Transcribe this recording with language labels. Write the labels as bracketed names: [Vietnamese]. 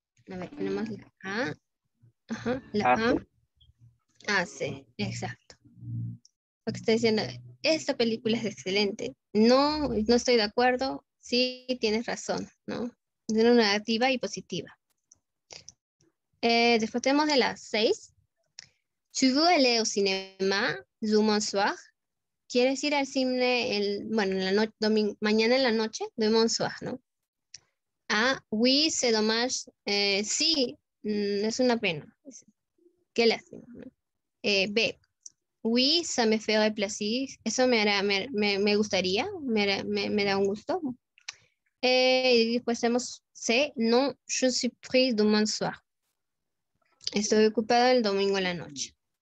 [Spanish] A ver, tenemos la A. Ajá, la A. A, C, exacto. Lo que está diciendo, esta película es excelente. No, no estoy de acuerdo. Sí, tienes razón, ¿no? De una negativa y positiva. Después tenemos de las 6. [French] ¿Tu veux aller au cinéma demain soir? [Spanish] ¿Quieres ir al cine mañana en la noche? [French] Demain soir, ¿no? A, oui, c'est dommage. [Spanish] Sí, es una pena. Qué lástima, ¿no? [French] B, oui, ça me ferait plaisir. [Spanish] Eso me gustaría, me da un gusto. Y después tenemos [French] C, no, je suis pris demain soir. [Spanish] Estoy ocupada el domingo en la noche.